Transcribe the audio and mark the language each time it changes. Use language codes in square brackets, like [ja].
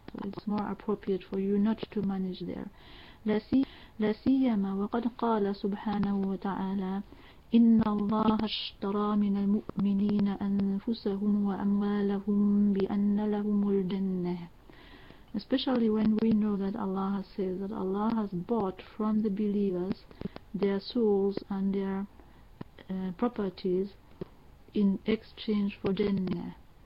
[en] So it's more appropriate for you not to manage there. [ar] لا سيما وقد قال سبحانه وتعالى إن الله اشترى من المؤمنين أنفسهم وأموالهم بأن لهم الجنة. [en] Especially when we know that Allah has said that Allah has bought from the believers their souls and their properties in exchange for Jannah.